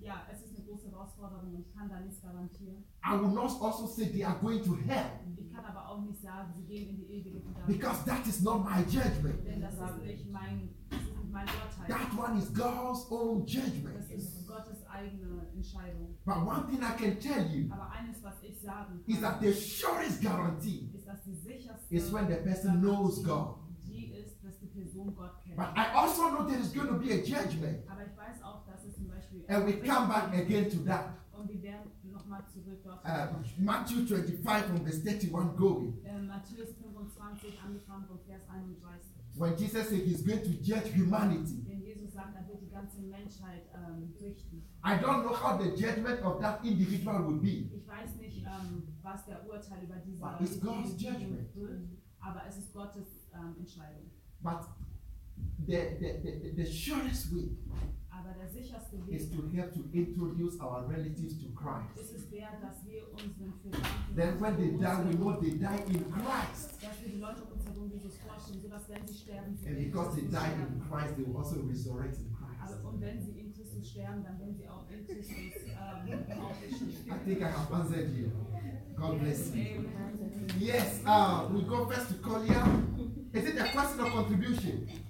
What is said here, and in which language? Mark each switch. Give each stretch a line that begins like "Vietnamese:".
German: Es ist eine große Herausforderung und ich kann da nichts garantieren.
English: I will not also say they are going to hell.
German: Ich kann aber auch nicht sagen, sie gehen in die ewige Verdammnis.
English: Because that is not my judgment.
German: Denn das ist nicht mein, Urteil.
English: That one is God's own judgment.
German: Das ist Gottes eigene Entscheidung.
English: But one thing I can tell you,
German: aber eines, was ich sagen kann,
English: is that the surest guarantee
German: ist, dass die sicherste
English: is when the person knows God.
German: Die ist, dass die Person Gott kennt.
English: But I also know there is going to be a judgment.
German: Aber ich weiß auch, dass es
English: and we come back again to that.
German: Und wir werden noch mal zurück auf
English: Matthew 25 from verse 31 going.
German: Matthäus 25 angefangen von Vers 31.
English: When Jesus said he's going to judge humanity.
German: Wenn Jesus sagt, er wird die ganze Menschheit richten.
English: I don't know how the judgment of that individual would be.
German: Ich weiß nicht, was der Urteil über diese
English: but it's God's judgment.
German: Wird, aber es ist Gottes Entscheidung.
English: But the surest way.
German: Aber der sicherste Weg
English: is to help to introduce our relatives to Christ.
German: Ist es der, dass wir unseren
English: then when they die, we know they die in Christ.
German: Dass wir die Leute um uns herum Jesus vorstellen, so dass wenn sie sterben,
English: and because they die in Christ, they will also resurrect in Christ.
German: Also, und wenn sie in Christus sterben, dann werden sie auch in Christus aufstehen.
English: I think I have answered you. God bless you. Amen. Yes, we go first to Kolia. Is it a question or contribution?